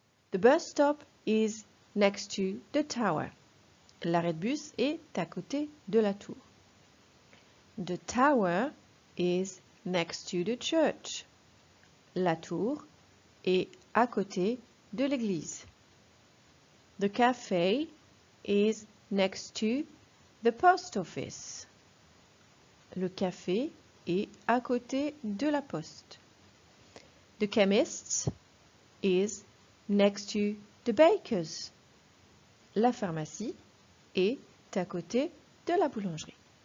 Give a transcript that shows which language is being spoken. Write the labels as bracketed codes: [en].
[en] The bus stop is next to the tower. [fr] L'arrêt de bus est à côté de la tour. [en] The tower is next to the church. [fr] La tour est à côté de l'église. [en] The cafe is next to the post office. [fr] Le café est à côté de la poste. [en] The chemist is next to the baker's. [fr] La pharmacie est à côté de la boulangerie.